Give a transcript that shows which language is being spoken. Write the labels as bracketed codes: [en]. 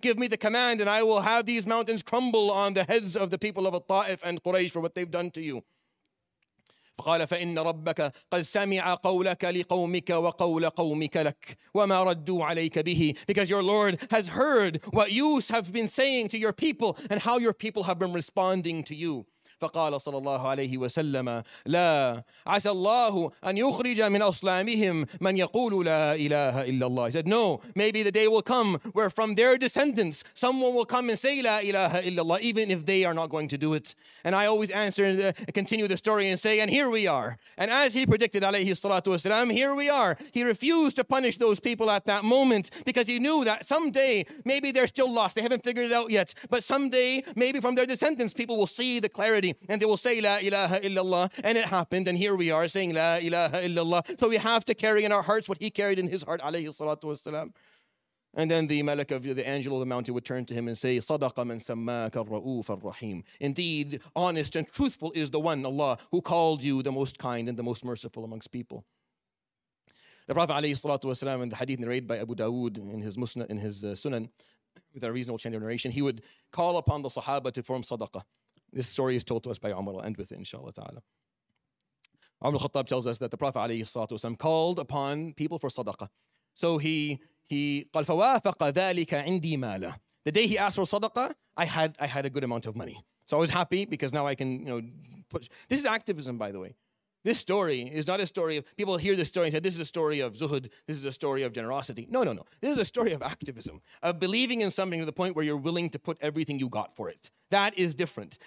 [en] Give me the command and I will have these mountains crumble on the heads of the people of Al-Ta'if and Quraysh for what they've done to you. [ar] فَقَالَ فَإِنَّ رَبَّكَ قَدْ سَمِعَ قَوْلَكَ لِقَوْمِكَ وَقَوْلَ قَوْمِكَ لَكَ وَمَا رَدُّوا عَلَيْكَ بِهِ. [en] Because your Lord has heard what you have been saying to your people and how your people have been responding to you. [ar] فقال صلى الله عليه وسلم لا عسى الله أن يخرج من أصلامهم من يقول لا إله إلا الله. [en] He said, no, maybe the day will come where from their descendants someone will come and say [ar] لا إله إلا الله, [en] even if they are not going to do it. And I always answer and continue the story and say, and here we are. And as he predicted عليه الصلاة والسلام, here we are. He refused to punish those people at that moment because he knew that someday maybe they're still lost, they haven't figured it out yet, but someday maybe from their descendants people will see the clarity and they will say la ilaha illallah, and it happened, and here we are saying la ilaha illallah. So we have to carry in our hearts what he carried in his heart alayhi salatu wasalam. And then the malak of the angel of the mountain would turn to him and say, [ar] sadaqa man sammaka ar-ra'uf ar-rahim. [en] Indeed, honest and truthful is the one, Allah, who called you the most kind and the most merciful amongst people. The Prophet alayhi salatu wasalam, in the hadith narrated by Abu Dawood in his Musnad, in his Sunan, with a reasonable chain of narration, he would call upon the sahaba to form sadaqa. This story is told to us by Umar. I'll end with it, inshallah ta'ala. Umar al-Khattab tells us that the Prophet alayhi salatu wasalam called upon people for sadaqah. So he [ar] قَالْ فَوَافَقَ ذَٰلِكَ عِنْدِي مَالَ. [en] The day he asked for sadaqah, I had a good amount of money. So I was happy because now I can, you know, push. This is activism, by the way. This story is not a story of, people hear this story and say, this is a story of zuhud, this is a story of generosity. No, no, no. This is a story of activism, of believing in something to the point where you're willing to put everything you got for it. That is different.